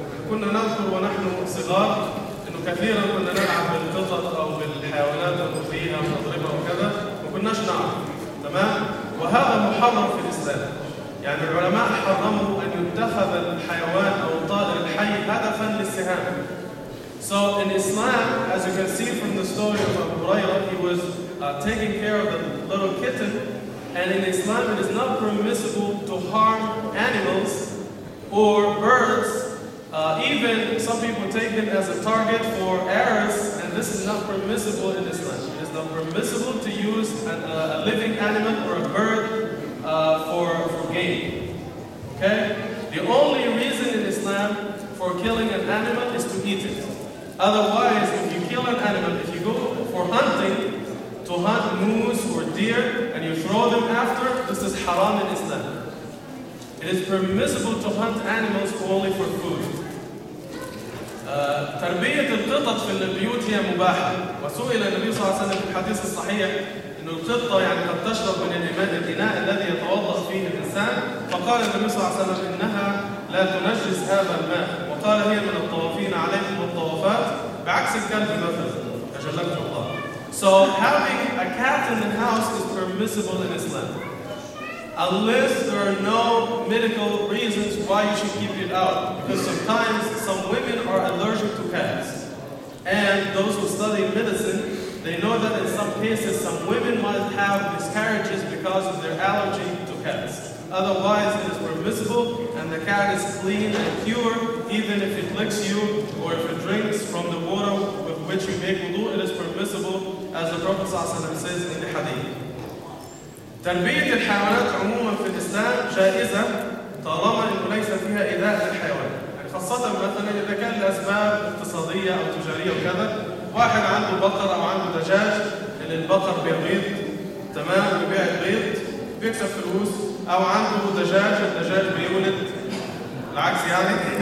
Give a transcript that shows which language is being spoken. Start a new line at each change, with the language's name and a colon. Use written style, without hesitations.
Arabic: كنا نذكر ونحن صغار انه كثيرا كنا نلعب بالقطط او بالحيوانات المفيئه ونضربها وكذا، ما كناش نعرف. تمام؟ وهذا محرم في الاسلام. يعني العلماء حرموا ان يتخذ الحيوان او الطائر الحي هدفا للسهام.
English: So in Islam, as you can see from the story of Abu Hurairah, he was taking care of a little kitten. And in Islam, it is not permissible to harm animals or birds. Even some people take it as a target for arrows, and this is not permissible in Islam. It is not permissible to use a living animal or a bird for game. Okay? The only reason in Islam for killing an animal is to eat it. Otherwise, if you kill an animal, if you go for hunting, to hunt moose or deer, and you throw them after, this is haram in Islam. It is permissible to hunt animals only for food.
Arabic: تربية القطط في البيوت هي مباحة. وسئل النبي صلى الله عليه وسلم في الحديث الصحيح أن القطة يعني قد تشرب من الإناء الذي يتوضأ فيه الإنسان، فقال النبي صلى الله عليه وسلم إنها لا تنجس هذا الماء، وقال هي من الطوافين عليكم والطوافات، بعكس الكلب مثلا أجلكم الله.
English: So having a cat in the house is permissible in Islam. Unless there are no medical reasons why you should keep it out. Because sometimes some women are allergic to cats. And those who study medicine, they know that in some cases some women might have miscarriages because of their allergy to cats. Otherwise, it is permissible and the cat is clean and pure, even if it licks you or if it drinks from the water with which you make wudu, it is permissible, as the Prophet ﷺ says in the hadith.
Arabic: تربية الحيوانات عموما في الإسلام جائزة طالما أنه ليس فيها إيذاء للحيوان، خاصة مثلا إذا كان لأسباب اقتصادية أو تجارية وكذا. واحد عنده بقر أو عنده دجاج، اللي البقر بيبيض، تمام، بيبيع البيض بيكسب فلوس، أو عنده دجاج، الدجاج بيولد، العكس يعني.